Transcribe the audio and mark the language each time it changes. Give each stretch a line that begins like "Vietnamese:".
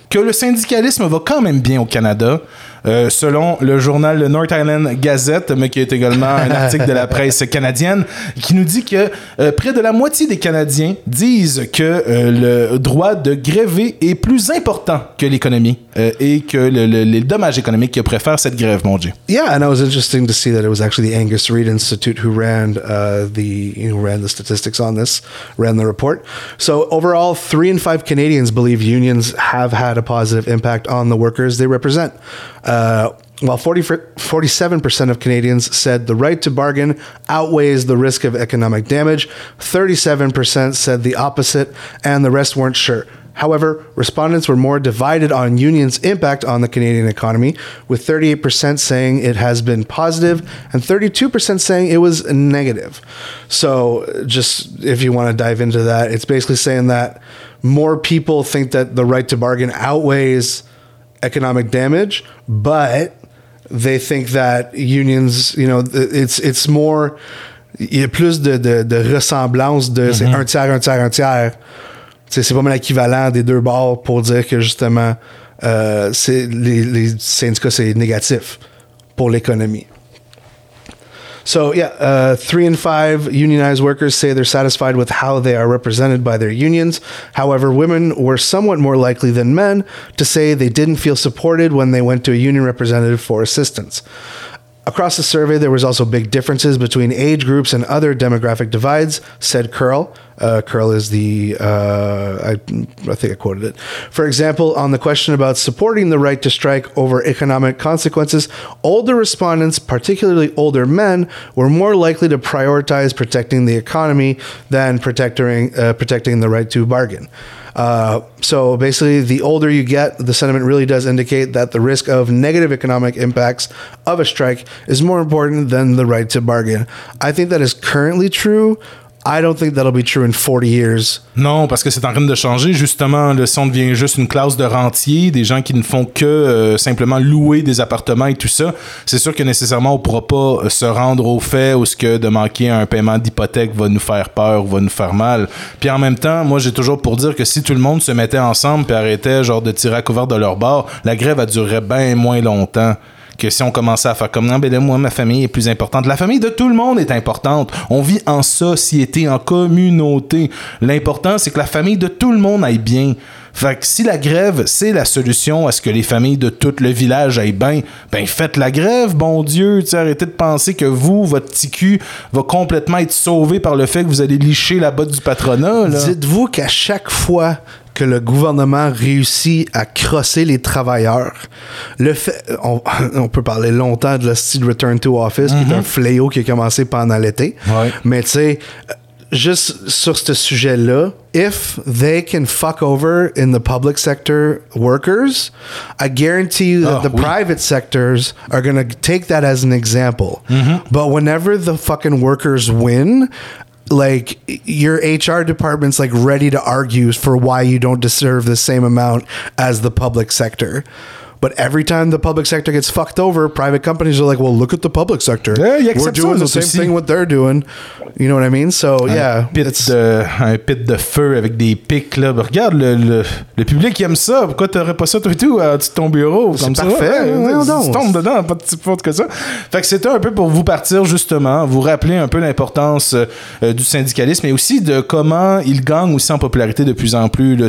French: Que le syndicalisme va quand même bien au Canada, selon le journal The North Island Gazette, mais qui est également un article de la presse canadienne, qui nous dit que près de la moitié des Canadiens disent que le droit de gréver est plus important que l'économie et que les dommages économiques qui préfèrent cette grève, mon Dieu.
English: Yeah, and it was interesting to see that it was actually the Angus Reid Institute who ran the statistics on this, ran the report. So overall, 3 in 5 Canadians believe unions have had a positive impact on the workers they represent. While 47% of Canadians said the right to bargain outweighs the risk of economic damage, 37% said the opposite, and the rest weren't sure. However, respondents were more divided on unions' impact on the Canadian economy, with 38% saying it has been positive and 32% saying it was negative. So just if you want to dive into that, it's basically saying that more people think that the right to bargain outweighs economic damage, but they think that unions, you know, it's more,
French: il y a plus de ressemblance de c'est un tiers,
English: un tiers, un tiers.
French: C'est pas mal l'équivalent des deux bords pour dire que justement c'est les syndicats, c'est négatif pour l'économie.
English: So yeah, 3 in 5 unionized workers say they're satisfied with how they are represented by their unions. However, women were somewhat more likely than men to say they didn't feel supported when they went to a union representative for assistance. Across the survey, there was also big differences between age groups and other demographic divides, said Curl. Curl is the, I think I quoted it. For example, on the question about supporting the right to strike over economic consequences, older respondents, particularly older men, were more likely to prioritize protecting the economy than protecting the right to bargain. So basically, the older you get, the sentiment really does indicate that the risk of negative economic impacts of a strike is more important than the right to bargain. I think that is currently true. I don't think that'll be true in 40 years.
French: Non, parce que c'est en train de changer. Justement, le son devient juste une classe de rentiers, des gens qui ne font que simplement louer des appartements et tout ça. C'est sûr que nécessairement, on ne pourra pas se rendre au fait où ce que de manquer un paiement d'hypothèque va nous faire peur, va nous faire mal. Puis en même temps, moi, j'ai toujours pour dire que si tout le monde se mettait ensemble et arrêtait genre de tirer à couvert de leur bord, la grève, elle durerait bien moins longtemps. Que si on commençait à faire comme non, ben là, moi, ma famille est plus importante. La famille de tout le monde est importante. On vit en société, en communauté. L'important, c'est que la famille de tout le monde aille bien. Fait que si la grève, c'est la solution à ce que les familles de tout le village aillent bien, ben faites la grève, bon Dieu. T'sais, arrêtez de penser que vous, votre petit cul, va complètement être sauvé par le fait que vous allez licher la botte du patronat. Là. Dites-vous qu'à chaque fois que le gouvernement réussit à crosser les travailleurs, le fait, on peut parler longtemps de la style
English: return to office,
French: qui est un fléau qui a commencé pendant l'été. Ouais. Mais tu sais, juste sur ce sujet-là,
English: if they can fuck over in the public sector workers, I guarantee you that private sectors are going to take that as an example. Mm-hmm. But whenever the fucking workers win, like, your HR department's, like, ready to argue for why you don't deserve the same amount as the public sector. But every time the public sector gets fucked over, private companies are like, well, look at the public sector. Yeah, yeah, we're doing the same thing what they're doing. You know what I mean? So, yeah.
French: Un pit de feu avec des pics, là. Mais regarde, le public aime ça. Pourquoi t'aurais pas ça, toi et tout, à ton bureau? C'est comme parfait. Ça, ouais, tu tombes dedans, pas de petit faute que ça. Fait que c'était un peu pour vous partir, justement, vous rappeler un peu l'importance du syndicalisme et aussi de comment il gagne aussi en popularité de plus en plus. Là.